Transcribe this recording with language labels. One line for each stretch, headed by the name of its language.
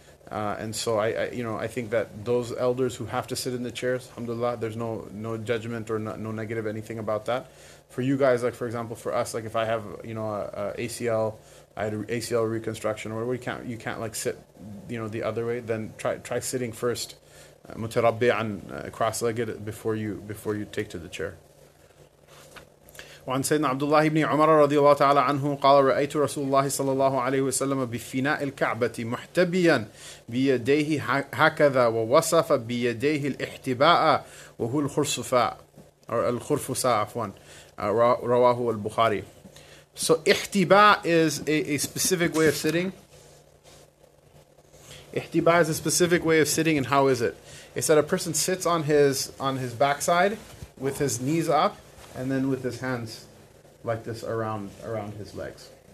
English: And so I think that those elders who have to sit in the chairs, alhamdulillah, there's no judgment or no negative anything about that. For you guys, like, for example, for us, like, if I have, you know, I had ACL reconstruction, or you can't like sit, you know, the other way, then try sitting first, mutarabbi'an, cross-legged, before you take to the chair.
Arabic: وعن سيدنا عبد الله بن عمر رضي الله تعالى عنه قال رأيت رسول الله صلى الله عليه وسلم بفناء الكعبة محتبيا بيديه هكذا ووصف بيديه الاحتباء وهو الخرصفاء or الخرفساء عفوا رواه البخاري.
English: So احتباء is a specific way of sitting. احتباء is a specific way of sitting, and how is it? It's that a person sits on his backside with his knees up, and then with his hands like this around his legs.